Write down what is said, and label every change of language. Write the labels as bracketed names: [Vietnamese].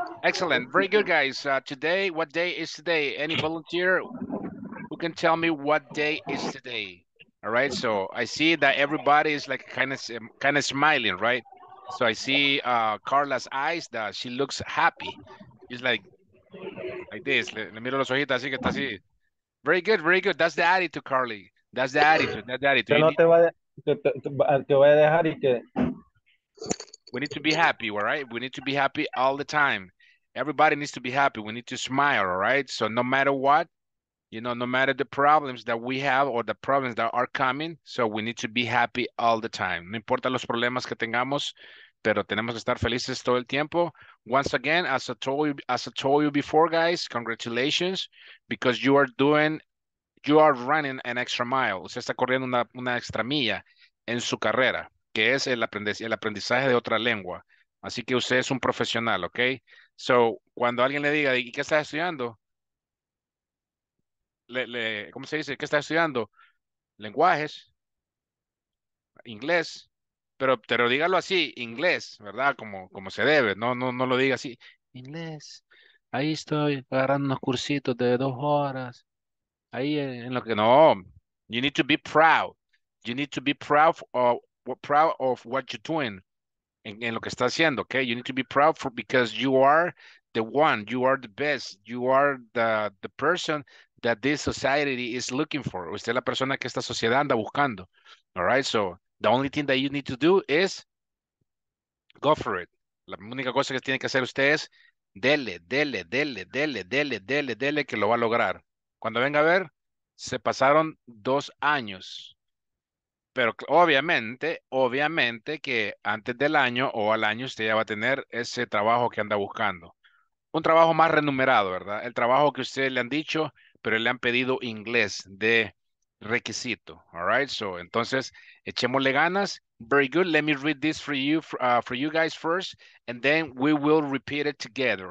[English] Excellent. Very good, guys. Today, what day is today? Any volunteer who can tell me what day is today? All right, so I see that everybody is like kind of smiling, right? So I see Carla's eyes that she looks happy. She's like this. [Spanish] Le miro los ojitos así que está así. [English] Very good, very good. That's the attitude, Carly. That's the attitude. That's the attitude. [Spanish] Que no te vaya, te voy a dejar y que... [English] We need to be happy, all right? We need to be happy all the time. Everybody needs to be happy. We need to smile, all right? So no matter what, you know, no matter the problems that we have or the problems that are coming, so we need to be happy all the time. [Spanish] No importa los problemas que tengamos, pero tenemos que estar felices todo el tiempo. [English] Once again, as I told you before, guys, congratulations, because you are running an extra mile. [Spanish] Usted está corriendo una extra milla en su carrera, que es el aprendizaje de otra lengua. Así que usted es un profesional, okay? So, cuando alguien le diga, ¿y qué estás estudiando? ¿Cómo se dice? ¿Qué estás estudiando? Lenguajes, inglés, pero dígalo así, inglés, ¿verdad? Como se debe, no lo diga así, inglés, ahí estoy agarrando unos cursitos de 2 horas, ahí en lo que, no, you need to be proud of what you're doing, en lo que estás haciendo, okay? [English] You need to be proud because you are the one, you are the best, you are the person that this society is looking for. [Spanish] Usted es la persona que esta sociedad anda buscando. [English] All right, so the only thing that you need to do is go for it. [Spanish] La única cosa que tiene que hacer usted es dele, que lo va a lograr. Cuando venga a ver, se pasaron 2 años. Pero obviamente que antes del año o al año usted ya va a tener ese trabajo que anda buscando. Un trabajo más remunerado, ¿verdad? El trabajo que usted le han dicho, pero le han pedido inglés de requisito. [English] All right, so entonces, echémosle ganas. Very good. Let me read this for you guys first, and then we will repeat it together.